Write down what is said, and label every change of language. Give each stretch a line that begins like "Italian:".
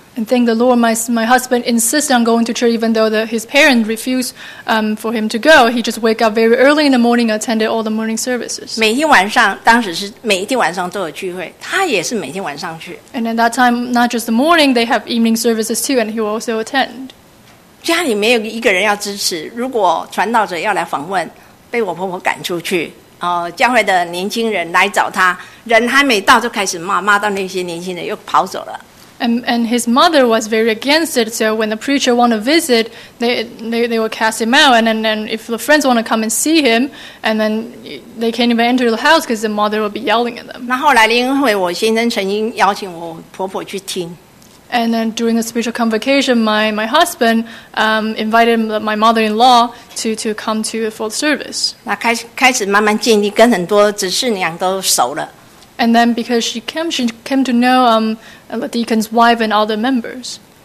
English: And thank the Lord, my husband insists on going to church even though his parents refuse for him to go. He just wake up very early in the morning, attended all the morning services.
Chinese: 每天晚上，当时是每一天晚上都有聚会，他也是每天晚上去。
English: And at that time, not just the morning, they have evening services too, and he will also attend.
Chinese: 家里没有一个人要支持，如果传道者要来访问，被我婆婆赶出去，教会的年轻人来找他，人还没到就开始骂，骂到那些年轻人又跑走了。
English: And his mother was very against it, so when the preacher wanted to visit, they would cast him out, and then if the friends want to come and see him, and then they can't even enter the house because the mother would be yelling at them.
Chinese: 然后来灵会，我先生曾经邀请我婆婆去听。
English: And then during the spiritual convocation, my husband invited my mother-in-law to come to for the service.
Chinese: 那开始慢慢建立，跟很多执事娘都熟了。
English: And then because she came to know the deacon's wife and other members.